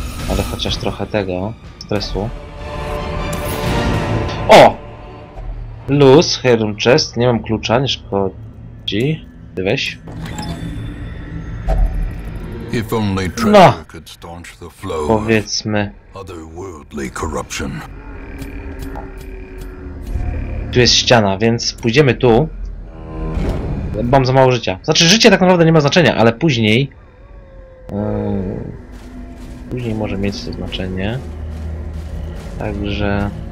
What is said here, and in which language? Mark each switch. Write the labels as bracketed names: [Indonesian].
[Polish] Ale chociaż trochę tego... stresu. O! Luz, Herum Chest, nie mam klucza, nie szkodzi. Ty weź. [English] If only treasure could staunch the flow of otherworldly corruption. [Polish] Tu jest ściana, więc pójdziemy tu. Mam za mało życia. Znaczy, życie tak naprawdę nie ma znaczenia, ale później... później może mieć to znaczenie. Także...